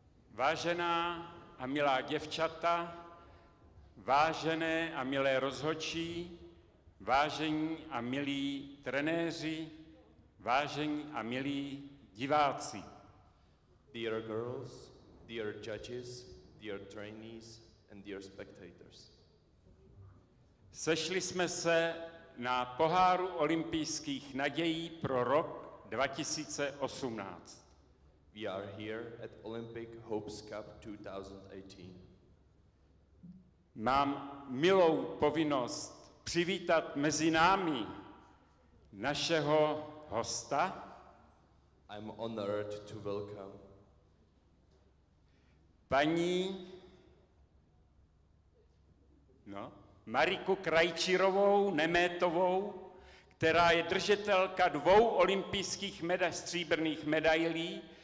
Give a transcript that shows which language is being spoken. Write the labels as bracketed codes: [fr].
[cs] Vážená a milá děvčata, vážené a milé rozhodčí, vážení a milí trenéři, vážení a milí diváci. [en] Dear girls, dear judges, dear trainees and dear spectators. [cs] Sešli jsme se na poháru olympijských nadějí pro rok 2018. [en] We are here at Olympic Hopes Cup 2018. [cs] Mám milou povinnost přivítat mezi námi našeho hosta. [en] I'm honored to welcome. [cs] Paní Mariku Krajčírovou Nemétovou, která je držitelka dvou olympijských stříbrných medailí.